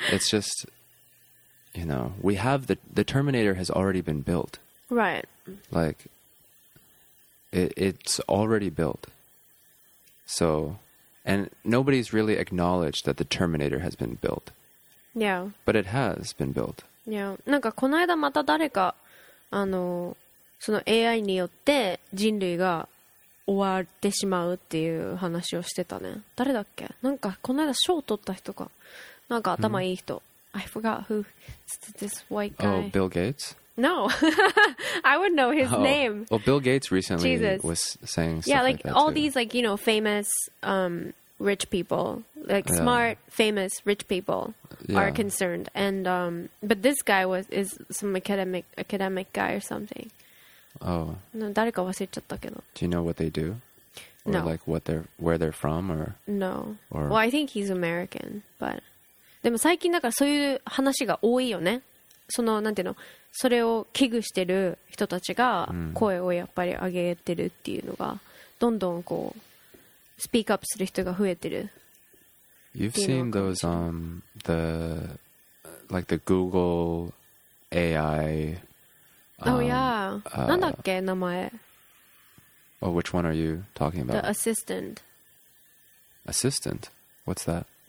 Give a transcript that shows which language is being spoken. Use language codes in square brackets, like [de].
[en] It's just, you know, we have the Terminator has already been built. Right. Like, it's already built. So, and nobody's really acknowledged that the Terminator has been built. Yeah. But it has been built. Yeah. [ja] なんかこの間また誰か、あの、その AI によって人類が終わってしまうっていう話をしてたね。誰だっけ？なんかこの間賞を取った人か。なんか頭いい人。 [en] I forgot who this white guy. Oh, Bill Gates? No. I would know his name. Well, Bill Gates recently was saying stuff like that all too. These like, you know, famous rich people, like smart, famous rich people are concerned. And but this guy is some academic guy or something. Oh. No, [ja] 誰か忘れちゃったけど. [en] Do you know what they do? No. Or like where they're from or? No. Well, I think he's American, but [ja] でも最近だからそういう話が多いよね。そのなんていうの、それを危惧してる人たちが声をやっぱり上げてるっていうのが、どんどんこうスピークアップする人が増えてる。 [en] You've seen those the like the Google AI. Oh yeah. [ja] なんだっけ名前。 [en] Oh, which one are you talking about? The assistant. Assistant. What's that?